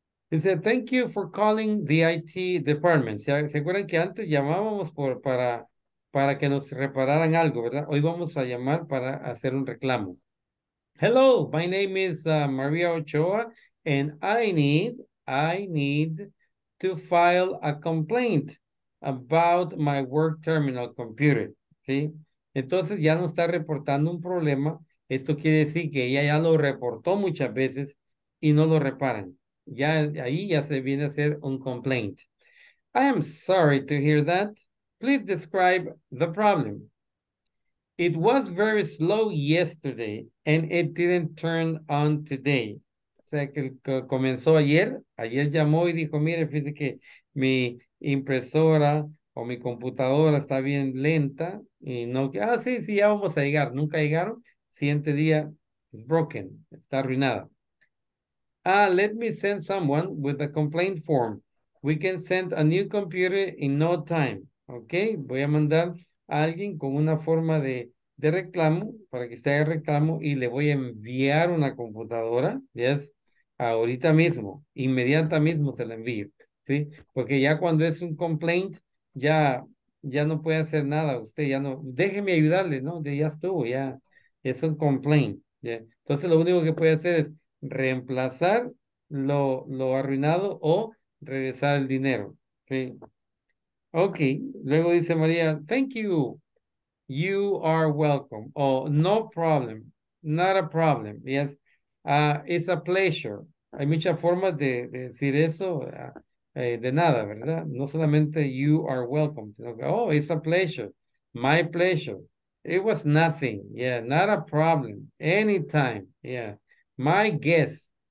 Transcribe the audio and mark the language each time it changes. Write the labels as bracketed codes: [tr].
[en] He said, thank you for calling the IT department. [es] ¿Se acuerdan que antes llamábamos para que nos repararan algo, verdad? Hoy vamos a llamar para hacer un reclamo. [en] Hello, my name is Maria Ochoa, and I need to file a complaint about my work terminal computer. [es] ¿Sí? Entonces ya nos está reportando un problema. Esto quiere decir que ella ya lo reportó muchas veces y no lo reparan. Ya ahí ya se viene a hacer un complaint. [en] I am sorry to hear that. Please describe the problem. It was very slow yesterday and it didn't turn on today. [es] O sea, que comenzó ayer. Ayer llamó y dijo, mire, fíjese que mi impresora o mi computadora está bien lenta. Y no, que sí, ya vamos a llegar. Nunca llegaron. Siguiente día, broken. Está arruinada. [en] Let me send someone with a complaint form. We can send a new computer in no time. [es] Ok, voy a mandar a alguien con una forma de reclamo para que usted haga reclamo y le voy a enviar una computadora, yes, ahorita mismo, inmediata mismo se la envío, ¿sí? Porque ya cuando es un complaint, ya no puede hacer nada usted, ya no, déjeme ayudarle, ¿no? Ya estuvo, ya es un complaint, ¿sí? Entonces lo único que puede hacer es reemplazar lo arruinado o regresar el dinero, ¿sí? [en] Ok, luego dice María, thank you, you are welcome, no problem, not a problem, yes, it's a pleasure. [es] Hay muchas formas de decir eso, de nada, ¿verdad? [en] No solamente you are welcome, sino que, it's a pleasure, my pleasure, it was nothing, yeah, not a problem, anytime, yeah, my guess.